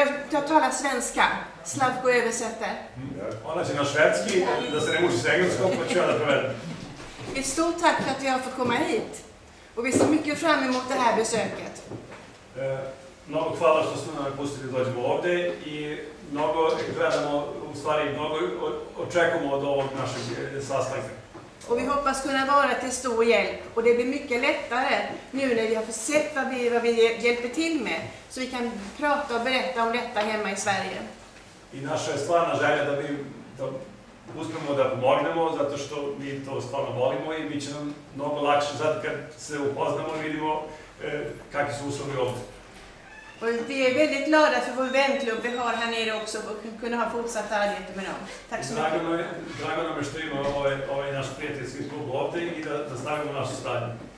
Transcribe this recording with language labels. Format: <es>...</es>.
<sv>Ja talar svenska, Slavko översätter.</sv> <sr>Ona će na švedski, da se ne može sa engleskom, pa ću ja da prevedem.</sr> <sv>Ett stort tack för att jag har fått komma hit. Och vi ser mycket fram emot det här besöket.</sv> <sr>Mnogo hvala što ste nam pustili da dođemo ovde i mnogo gledamo, u stvari mnogo očekamo od ovog našeg sastanka.</sr> <sv>Och vi hoppas kunna vara till stor hjälp och det blir mycket lättare nu när vi har sett vad vi hjälper till med så vi kan prata och berätta om detta hemma i Sverige.</sv> <sr>I naša je stvarna želja da uspemo da pomognemo zato što mi to stvarno volimo i bit će nam mnogo lakše sad kad se upoznamo i vidimo kakvi su uslovi ovde.</sr> <sv>Och vi är väldigt glada för vår vänklubb vi har här nere också och kunna ha fortsatt arbete med dem. Tack så mycket.</sv> <sr>Drago nam je što ima ovaj naš prijateljski klub ovde i da snagamo našu stanju.</sr>